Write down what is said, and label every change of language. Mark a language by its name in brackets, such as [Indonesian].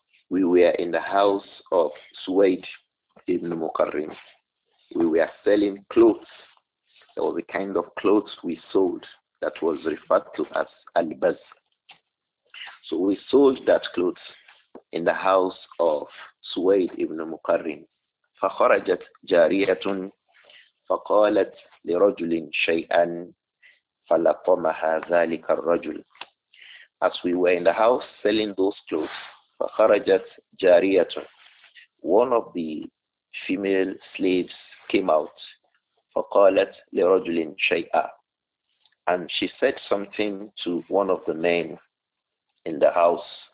[English] We were in the house of Suwaid ibn Muqarrin. We were selling clothes. There was a kind of clothes we sold that was referred to as al-Bazz. So we sold that clothes in the house of Suwaid ibn Muqarrin. [Arabic] فخرجت جارية فقالت لرجل شيئا فلطمها ذلك الرجل. [English] As we were in the house selling those clothes, [Arabic] فخرجت جارية, [English] one of the female slaves came out, [Arabic] فقالت لرجل شيئا, [English] and she said something to one of the men in the house.